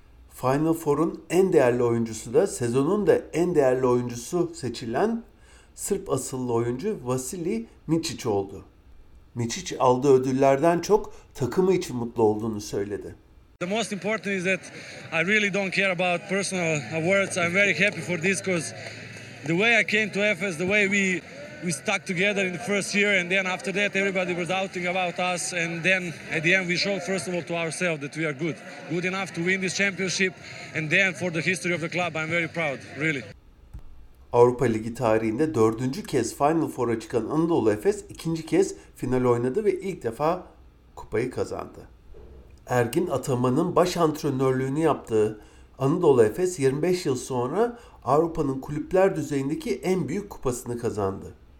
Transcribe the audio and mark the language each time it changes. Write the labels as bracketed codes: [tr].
[tr] Final Four'un en değerli oyuncusu da sezonun da en değerli oyuncusu seçilen Sırp asıllı oyuncu Vasili Micić oldu. Micić aldığı ödüllerden çok takımı için mutlu olduğunu söyledi. [en] The most important is that I really don't care about personal awards. I'm very happy for this because the way I came to Efes, the way we stuck together in the first year and then after that everybody was doubting about us and then at the end we showed first of all to ourselves that we are good. Good enough to win this championship and then for the history of the club I'm very proud, really. [tr] Avrupa Ligi tarihinde dördüncü kez Final Four'a çıkan Anadolu Efes ikinci kez final oynadı ve ilk defa kupayı kazandı. Ergin Ataman'ın baş antrenörlüğünü yaptığı Anadolu Efes 25 yıl sonra Avrupa'nın kulüpler düzeyindeki en büyük kupasını kazandı.